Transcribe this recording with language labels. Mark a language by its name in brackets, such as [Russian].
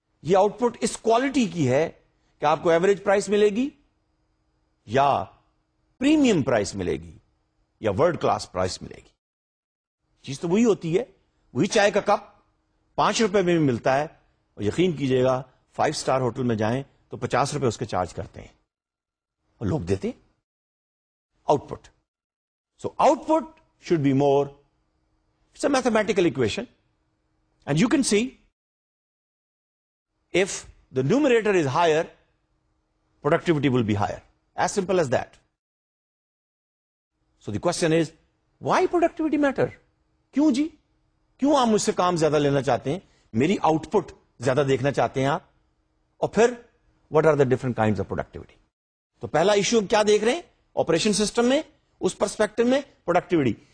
[Urdu] یہ out put اس quality کی ہے کہ آپ کو ایوریج پرائس ملے گی، یا پریمیم پرائس ملے گی، یا ورلڈ کلاس پرائس ملے گی. چیز تو وہی ہوتی ہے، وہی چائے کا کپ پانچ روپے میں بھی ملتا ہے، اور یقین کیجئے گا فائیو سٹار ہوٹل میں جائیں تو پچاس روپے اس کے چارج کرتے ہیں، اور لوگ دیتے ہیں out put. [English] So out put should be more, it's a mathematical equation, and you can see if the numerator is higher, productivity will be higher, as simple as that. So the question is why productivity metre, [Urdu] کیوں جی، کیوں آپ مجھ سے کام زیادہ لینا چاہتے ہیں، میری آؤٹ پٹ زیادہ دیکھنا چاہتے ہیں آپ، اور پھر [English] what are the different kinds of productivity. [Urdu] تو پہلا ایشو ہم کیا دیکھ رہے ہیں آپریشن سسٹم میں، اس پرسپیکٹو میں پروڈکٹیوٹی.